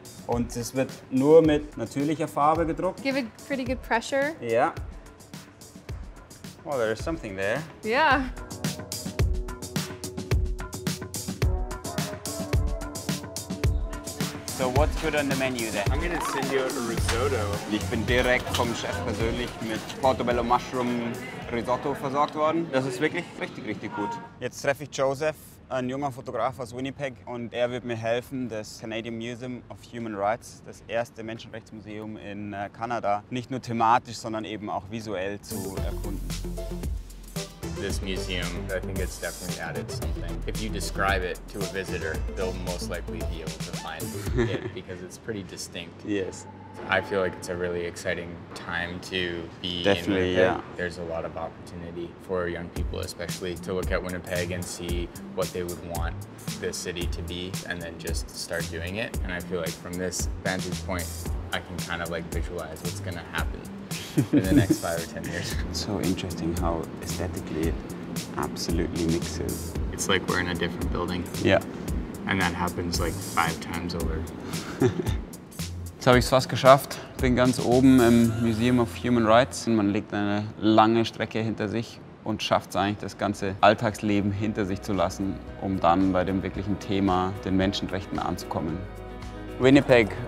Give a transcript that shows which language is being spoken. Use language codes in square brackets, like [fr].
[de] Und es wird nur mit natürlicher Farbe gedruckt. [en] Give it pretty good pressure. [de] Ja. [en] Well, there is something there. Yeah. So what's good on the menu then? I'm gonna send you a risotto. [de] Ich bin direkt vom Chef persönlich mit Portobello Mushroom Risotto versorgt worden. Das ist wirklich richtig, richtig gut. Jetzt treffe ich Joseph, ein junger Fotograf aus Winnipeg, und er wird mir helfen, das Canadian Museum of Human Rights, das erste Menschenrechtsmuseum in Kanada, nicht nur thematisch, sondern eben auch visuell zu erkunden. [en] This museum, I think it's definitely added something. If you describe it to a visitor, they'll most likely be able to find it because it's pretty distinct. Yes. I feel like it's a really exciting time to be definitely, in Winnipeg. Yeah. There's a lot of opportunity for young people, especially to look at Winnipeg and see what they would want the city to be and then just start doing it. And I feel like from this vantage point, I can kind of like visualize what's gonna happen in the next 5 or 10 years. It's so interesting how aesthetically it absolutely mixes. It's like we're in a different building. Yeah. And that happens like 5 times over. [de] Jetzt habe ich es fast geschafft. Bin ganz oben im Museum of Human Rights. Man legt eine lange Strecke hinter sich und schafft es eigentlich, das ganze Alltagsleben hinter sich zu lassen, um dann bei dem wirklichen Thema, den Menschenrechten, anzukommen. Winnipeg.